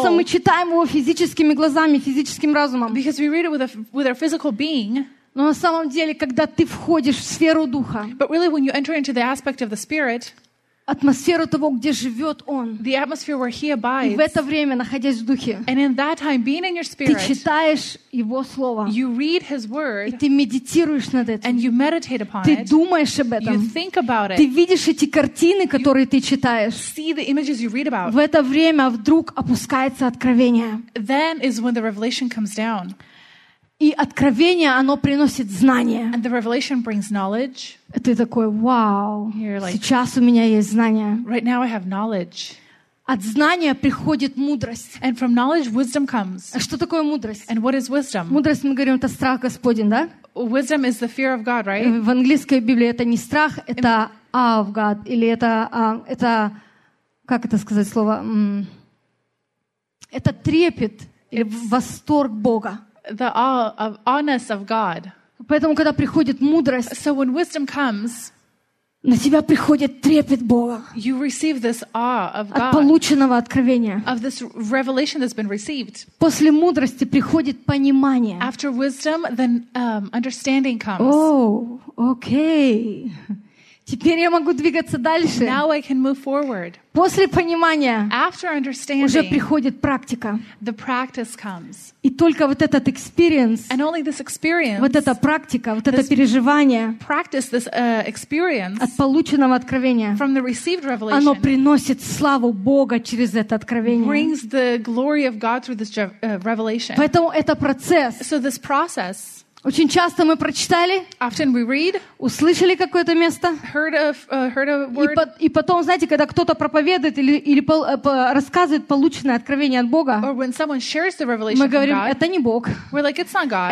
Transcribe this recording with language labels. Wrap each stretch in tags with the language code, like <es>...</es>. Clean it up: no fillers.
<ru>Что мы читаем его физическими глазами, физическим разумом.</ru> <en>Because we read it with our physical being.</en> <ru>Но на самом деле, когда ты входишь в сферу духа,</ru> <en>but really when you enter into the aspect of the spirit,</en> <ru>атмосферу того, где живет Он.</ru> <en>The atmosphere where he abides.</en> <ru>И в это время, находясь в Духе,</ru> <en>and in that time, being in your spirit,</en> <ru>ты читаешь Его Слово.</ru> <en>You read his word,</en> <ru>и ты медитируешь над этим.</ru> <en>And you meditate upon</en> <ru>ты думаешь об этом.</ru> <en>You think about it.</en> <ru>Ты видишь эти картины, которые</ru> <en>you</en> <ru>ты читаешь.</ru> <en>See the images you read about.</en> <ru>В это время вдруг опускается откровение.</ru> <en>Then is when the revelation comes down.</en> <ru>И откровение, оно приносит знание.</ru> <en>And the revelation brings knowledge.</en> <ru>Ты такой, вау,</ru> <en>like,</en> <ru>сейчас у меня есть знание.</ru> <en>Right now I have knowledge.</en> <ru>От знания приходит мудрость.</ru> <en>And from knowledge, wisdom comes.</en> <ru>А что такое мудрость?</ru> <en>And what is wisdom?</en> <ru>Мудрость, мы говорим, это страх Господень, да?</ru> <en>Wisdom is the fear of God, right?</en> <ru>В английской Библии это не страх, это</ru> <en>awe of God.</en> <ru>Или это как это сказать слово? Это трепет или восторг Бога.</ru> <en>The awe of awe-ness of God.</en> <ru>Поэтому, когда приходит мудрость,</ru> <en>so when wisdom comes,</en> <ru>на тебя приходит трепет Бога.</ru> <en>You receive this awe of God,</en> <ru>от полученного откровения.</ru> <en>Of this revelation that's been received.</en> <ru>После мудрости приходит понимание.</ru> <en>After wisdom, then, understanding comes. Oh, okay.</en> <ru>Теперь я могу двигаться дальше.</ru> <en>Now I can move forward.</en> <ru>После понимания,</ru> <en>after understanding,</en> <ru>уже приходит практика.</ru> <en>The practice comes.</en> <ru>И только вот этот experience,</ru> <en>and only this experience,</en> <ru>вот эта практика, вот это переживание,</ru> <en>practice, this, experience,</en> <ru>от полученного откровения,</ru> <en>from the received revelation,</en> <ru>оно приносит славу Бога через это откровение.</ru> <en>Brings the glory of God through this revelation.</en> <ru>Поэтому это процесс.</ru> <en>So this process,</en> <ru>Очень часто мы прочитали,</ru> <en>often we read,</en> <ru>услышали какое-то место,</ru> <en>heard a word,</en> <ru>и потом, знаете, когда кто-то проповедует или рассказывает полученное откровение от Бога,</ru> <en>or when someone shares the revelation</en> <ru>мы говорим,</ru> <en>from God,</en> <ru>это не Бог.</ru> <en>We're like, it's not God.</en>